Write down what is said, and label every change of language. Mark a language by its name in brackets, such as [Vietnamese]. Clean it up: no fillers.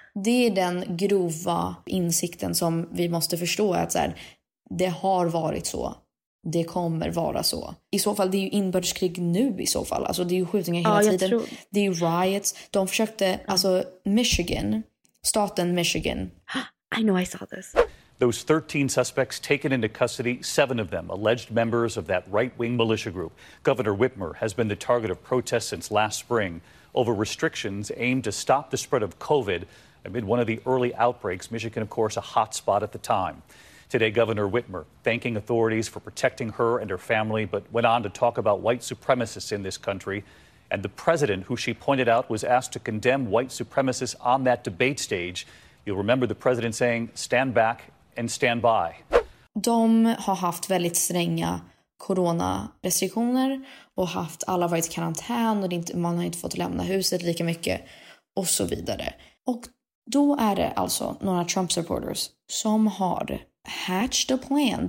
[Swedish] Det är den grova insikten som vi måste förstå, att så här, det har varit så. Det kommer vara så. I så fall, det är ju inbördeskrig nu i så fall. Alltså det är ju skjutningar hela tiden. Tror. Det är ju riots. De försökte, alltså Michigan, staten Michigan. [English] I know I saw this. Those 13 suspects taken into custody, 7 of them alleged members of that right-wing militia group. Governor Whitmer has been the target of protests since last spring over restrictions aimed to stop the spread of COVID amid one of the early outbreaks, Michigan, of course, a hot spot at the time. Today, Governor Whitmer thanking authorities for protecting her and her family, but went on to talk about white supremacists in this country. And the president, who she pointed out, was asked to condemn white supremacists on that debate stage. You'll remember the president saying, stand back and stand by. [Swedish] De har haft väldigt stränga coronarestriktioner och haft alla varit i karantän och inte, man har inte fått lämna huset lika mycket och så vidare. Och då är det alltså några Trump supporters som har [English] hatched a plan.